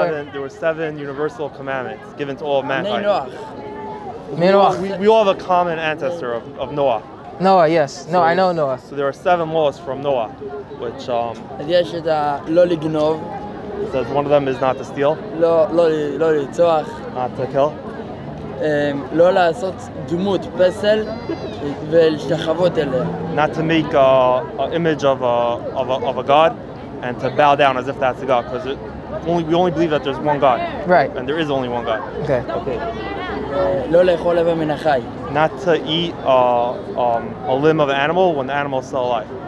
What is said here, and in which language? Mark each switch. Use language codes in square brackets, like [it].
[en] There were seven universal commandments given to all of mankind. Noah. We all have a common ancestor of Noah. Noah, yes. No, so I know Noah. So there are seven laws from Noah, which... Yes, it's [he] lo lignov. [en] It says one of them is not to steal. [he] Lo litzoach. [en] Not to kill. [he] לא לעשות דמות פסל ולשתחוות אליה. [en] Not to make an image of a god and to bow down as if that's a god, because we only believe that there's one god. Right. And there is only one god. Okay. [he] לא לאכול לבן מן החי. [en] Not to eat a limb of an animal when the animal is still alive.